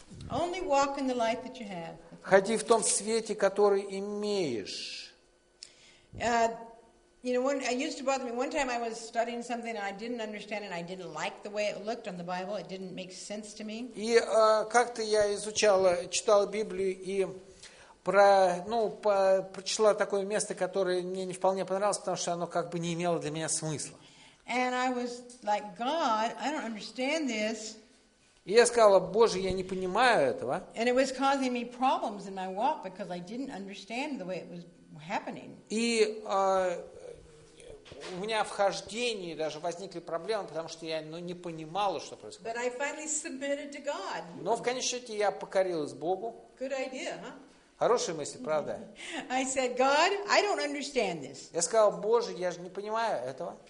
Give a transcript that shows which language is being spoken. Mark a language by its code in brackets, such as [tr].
[en] Only walk in the light that you have. [ru] Ходи в том свете, который имеешь. [en] You know, when it used to bother me, one time I was studying something and I didn't understand and I didn't like the way it looked on the Bible. It didn't make sense to me. [ru] И как-то я изучала, читала Библию и прочла такое место, которое мне не вполне понравилось, потому что оно как бы не имело для меня смысла. [en] And I was like, God, I don't understand this. [ru] И я сказала, Боже, я не понимаю этого. [en] And it was causing me problems in my walk because I didn't understand the way it was happening. [ru] И у меня в хождении даже возникли проблемы, потому что я не понимала, что происходит. [en] But I finally submitted to God. [ru] Но в конечном счете я покорилась Богу. [en] Good idea, huh? [ru] Хорошая мысль, правда? [en] I said, God, I don't understand this. [ru] Я сказала, Боже, я же не понимаю этого.